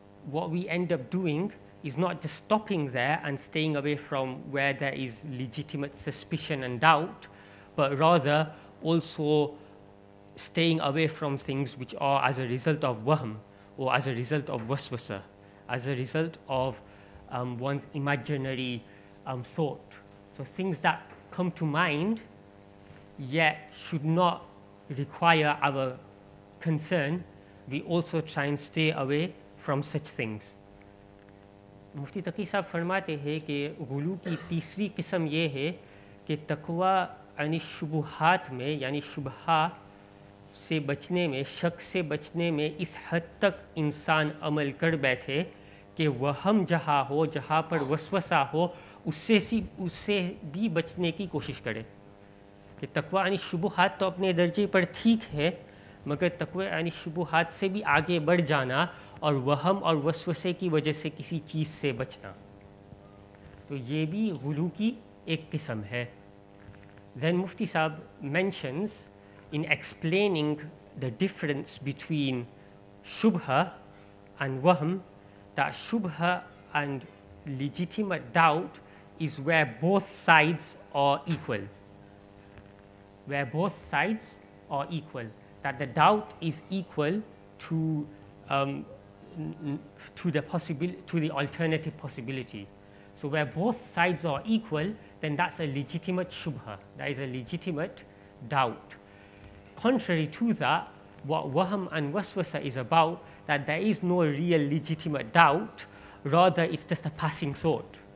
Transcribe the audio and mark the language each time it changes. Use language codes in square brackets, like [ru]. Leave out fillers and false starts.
[en] what we end up doing is not just stopping there and staying away from where there is legitimate suspicion and doubt, but rather also staying away from things which are as a result of wahm, or as a result of waswasa, as a result of one's imaginary thought. So things that come to mind, yet should not require our concern, we also try and stay away from such things. [ur] Mufti Taqi Saab فرماتے ہیں کہ غلو کی تیسری قسم یہ ہے کہ تقوی یعنی شبہات میں یعنی شبہا سے بچنے میں شک سے بچنے میں اس حد تک انسان عمل کر بیٹھے کہ وہم جہاں ہو جہاں پر وسوسہ ہو اس سے بھی بچنے کی کوشش کرے کہ تقوی یعنی شبہات تو اپنے درجے پر ٹھیک ہے مگر تقوی یعنی شبہات سے بھی آگے بڑھ جانا اور وہم اور وسوسے کی وجہ سے کسی چیز سے بچنا تو یہ بھی غلو کی ایک قسم ہے [en] Then Mufti Saab mentions in explaining the difference between shubha and wahm that shubha and legitimate doubt is where both sides are equal. Where both sides are equal. That the doubt is equal to the alternative possibility. So where both sides are equal, then that's a legitimate shubha. That is a legitimate doubt. Contrary to that, what waham and waswasa is about, that there is no real legitimate doubt, rather it's just a passing thought.